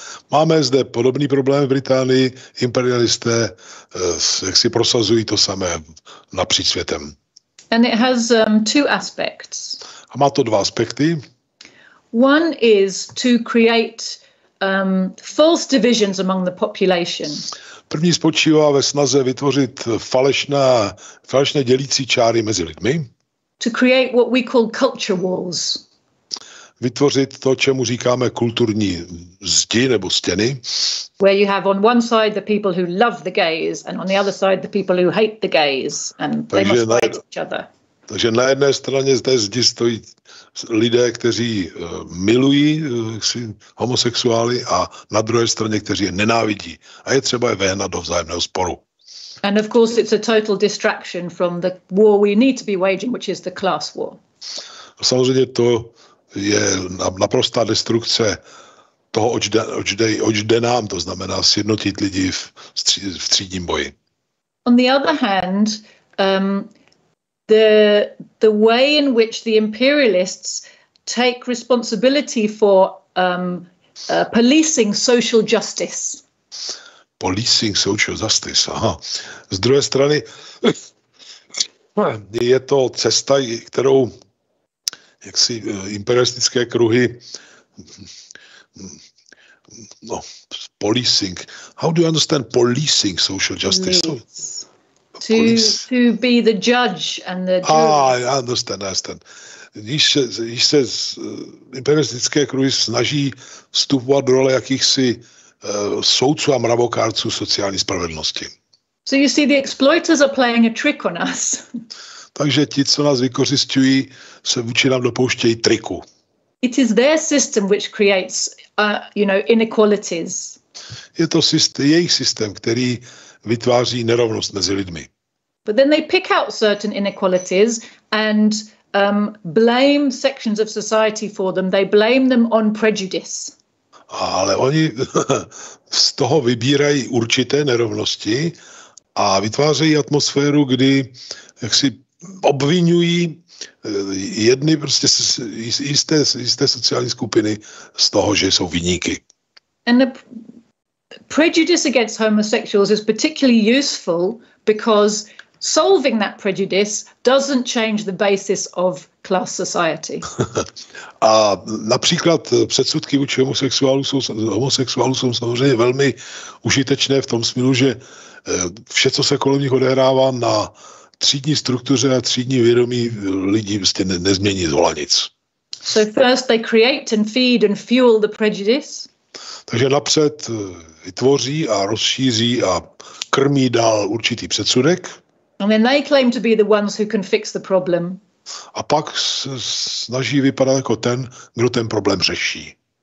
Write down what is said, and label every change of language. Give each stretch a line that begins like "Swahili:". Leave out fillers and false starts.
Czech: Máme zde podobný problém v Británii. Imperialisté jak si prosazují to samé napříč světem.
English: And it has two aspects.
Czech: A má to dva aspekty.
English: One is to create false divisions among the population.
Czech: První spočívá ve snaze vytvořit falešné dělící čáry mezi lidmi.
English: to create what we call culture walls.
Czech: Vytvořit to, čemu říkáme kulturní zdi nebo stěny.
English: Where you have on one side the people who love the gays and on the other side the people who hate the gays and they must fight each other.
Czech: Takže na jedné straně zde zdi stojí lidé, kteří milují homosexuály a na druhé straně, kteří je nenávidí. A je třeba je vehnat do vzájemného sporu.
English: And of course it's a total distraction from the war we need to be waging, which is the class war.
Czech: Samozřejmě to je naprostá destrukce toho, oč jde nám, to znamená sjednotit lidi v třídním boji.
English: On the other hand, the way in which the imperialists take responsibility for policing social justice. Policing social justice, aha.
Czech: Z druhé strany je to cesta, kterou jaksi imperialistické kruhy, no, policing.
English: How do you understand policing social justice? To be the judge and the jury. I understand,
Czech: Když se imperialistické kruhy snaží vstupovat do role jakýchsi soudců a mravokárců sociální spravedlnosti.
English: So you see, the exploiters are playing a trick on us.
Czech: Takže ti, co nás vykořisťují, se vůči nám dopouštějí triku.
English: It is their system which creates, inequalities.
Czech: Je to jejich systém, který vytváří nerovnost mezi lidmi.
English: But then they pick out certain inequalities and blame sections of society for them. They blame them on prejudice.
Czech: Ale oni z toho vybírají určité nerovnosti a vytvářejí atmosféru, kdy jaksi obvinují jedny prostě jisté sociální skupiny z toho, že jsou viníky.
English: And the prejudice against homosexuals is particularly useful because solving that prejudice doesn't change the basis of class society.
Czech: A například předsudky vůči homosexuálům jsou samozřejmě velmi užitečné v tom smyslu, že vše, co se kolem nich odehrává na třídní struktuře a třídní vědomí lidí prostě nezmění zhola nic.
English: So first they create and feed and fuel the prejudice.
Czech: Takže napřed vytvoří a rozšíří a krmí dál určitý předsudek.
English: And then they claim to be the ones who can fix the problem.
Czech: A pak snaží vypadat jako ten, kdo ten problém řeší.